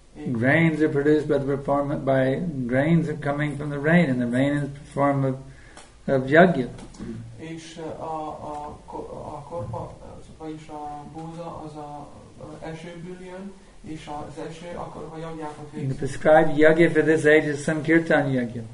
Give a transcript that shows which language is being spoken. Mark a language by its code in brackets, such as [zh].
[en] Grains are produced by the performance by grains are coming from the rain, and the rain is a form of yagya. [hu] És a korpa, vagyis a búza, az a esőből jön, és az eső akkor a yagyákat végzik. [en] The prescribed yagya for this age is sankirtan yagya.